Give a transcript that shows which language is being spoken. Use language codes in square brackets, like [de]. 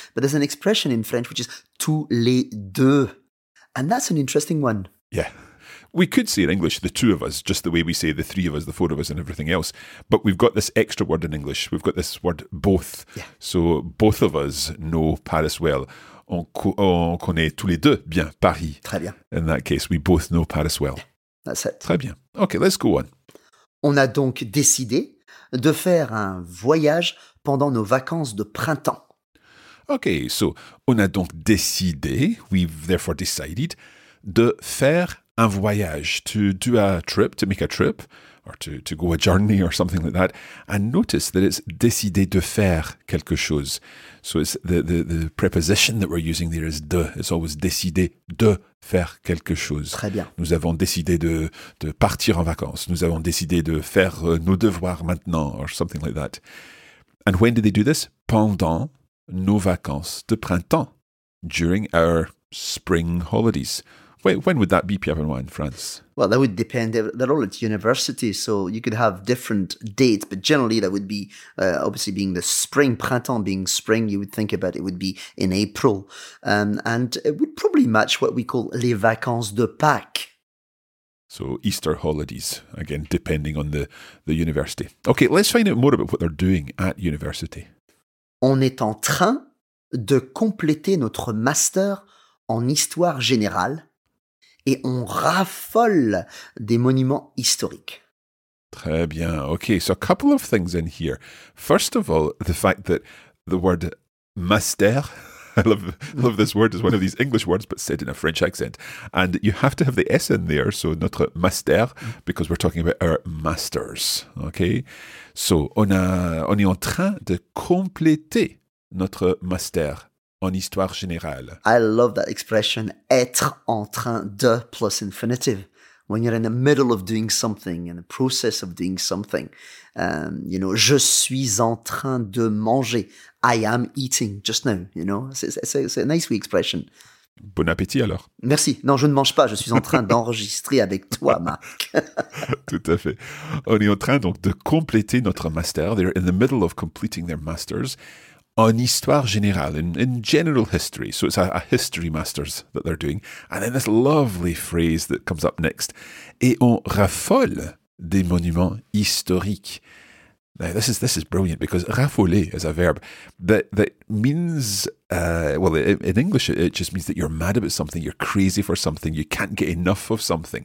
[en] But there's an expression in French which is [fr] tous les deux. [en] And that's an interesting one. Yeah. We could say in English, the two of us, just the way we say the three of us, the four of us and everything else. But we've got this extra word in English. We've got this word both. Yeah. So both of us know Paris well. [fr] On connaît tous les deux bien Paris. Très bien. [en] In that case, we both know Paris well. That's it. [fr] Très bien. [en] Okay, let's go on. [fr] On a donc décidé de faire un voyage pendant nos vacances de printemps. [en] Okay, so [fr] on a donc décidé, [en] we've therefore decided, [fr] de faire un voyage. [en] To do a trip, to make a trip, or to go a journey or something like that. And notice that it's [fr] décidé de faire quelque chose. [en] So it's the preposition that we're using there is de. It's always [fr] décidé de faire quelque chose. Très bien. Nous avons décidé de partir en vacances. Nous avons décidé de faire nos devoirs maintenant [en] or something like that. And when did they do this? [fr] Pendant nos vacances de printemps. [en] During our spring holidays. When would that be, Pierre-Benoît, in France? Well, that would depend. They're all at university, so you could have different dates. But generally, that would be, obviously, being the spring, printemps being spring, you would think about it would be in April. And it would probably match what we call [fr] les vacances de Pâques. [en] So Easter holidays, again, depending on the university. Okay, let's find out more about what they're doing at university. [fr] On est en train de compléter notre master en histoire générale. Et on raffole des monuments historiques. Très bien. [en] Okay, so a couple of things in here. First of all, the fact that the word master, I love this word, is one of these English words, but said in a French accent. And you have to have the S in there, so [fr] notre master, [en] because we're talking about our masters. Okay, so [fr] on est en train de compléter notre master. En histoire générale. [en] I love that expression, [fr] être en train de [en] plus infinitive. When you're in the middle of doing something, in the process of doing something, you know, [fr] je suis en train de manger. [en] I am eating just now, you know. C'est a nice expression. [fr] Bon appétit alors. Merci. Non, je ne mange pas. Je suis en train d'enregistrer avec toi, Marc. Tout à fait. On est en train donc de compléter notre master. [en] They're in the middle of completing their master's. [fr] En histoire générale, [en] in general history. So it's a history master's that they're doing. And then this lovely phrase that comes up next. [fr] Et on raffole des monuments historiques. [en] Now, this is brilliant because raffoler is a verb that means, in English, it just means that you're mad about something, you're crazy for something, you can't get enough of something.